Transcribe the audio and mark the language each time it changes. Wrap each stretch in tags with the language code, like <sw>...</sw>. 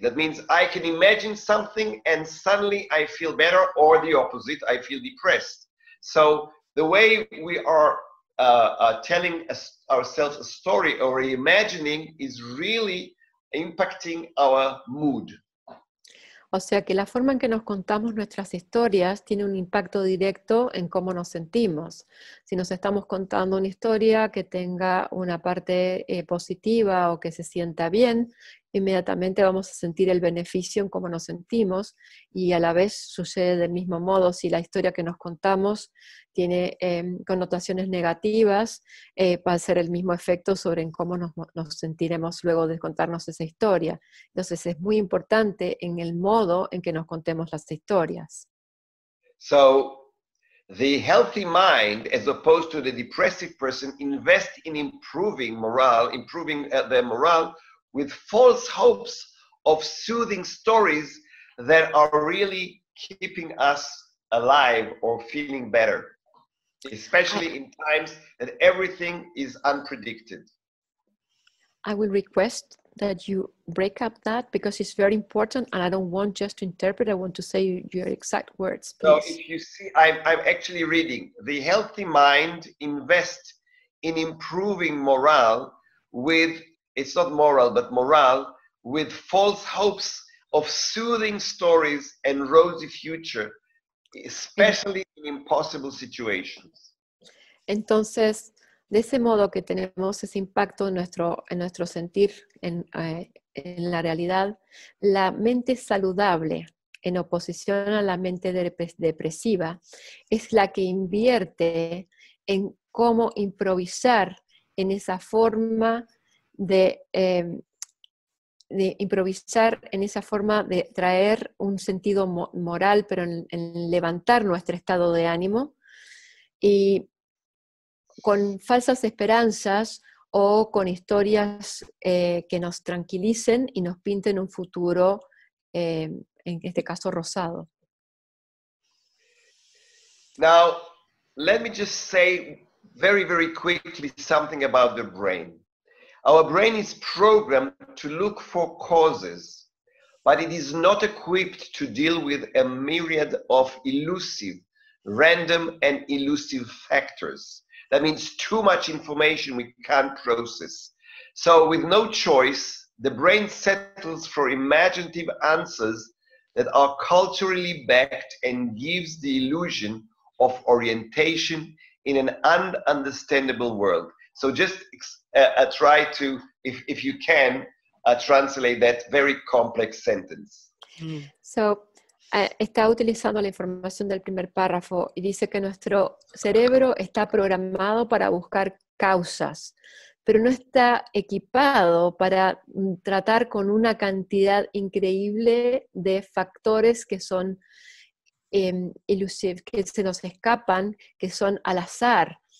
<en>That means I can imagine something and suddenly I feel better, or the opposite, I feel depressed. So the way we are telling us, ourselves a story or imagining is really impacting our mood.</en> <es>O sea que la forma en que nos contamos nuestras historias tiene un impacto directo en cómo nos sentimos. Si nos estamos contando una historia que tenga una parte positiva o que se sienta bien, inmediatamente vamos a sentir el beneficio en cómo nos sentimos, y a la vez sucede del mismo modo si la historia que nos contamos tiene connotaciones negativas, va a ser el mismo efecto sobre en cómo nos sentiremos luego de contarnos esa historia. Entonces es muy importante en el modo en que nos contemos las historias.</es> <en>So, the healthy mind, as opposed to the depressive person, invests in improving their morale, with false hopes of soothing stories that are really keeping us alive or feeling better, especially in times that everything is unpredicted. I will request that you break up that because it's very important, and I don't want just to interpret, I want to say your exact words, please. So if you see, I'm actually reading, the healthy mind invests in improving morale with false hopes of soothing stories and rosy future, especially in impossible situations.</en> <es>Entonces, de ese modo que tenemos ese impacto en nuestro sentir en la realidad, la mente saludable, en oposición a la mente depresiva, es la que invierte en cómo improvisar en esa forma de improvisar en esa forma de traer un sentido moral, pero en levantar nuestro estado de ánimo, y con falsas esperanzas o con historias que nos tranquilicen y nos pinten un futuro, en este caso rosado.</es> <en>Now, let me just say very, very quickly something about the brain. Our brain is programmed to look for causes, but it is not equipped to deal with a myriad of elusive, random and elusive factors. That means too much information we can't process. So with no choice, the brain settles for imaginative answers that are culturally backed and gives the illusion of orientation in an ununderstandable world. So just try to, if you can, translate that very complex sentence.</en> <es>So, está utilizando la información del primer párrafo y dice que nuestro cerebro está programado para buscar causas, pero no está equipado para tratar con una cantidad increíble de factores que son elusive, que se nos escapan, que son al azar.</es>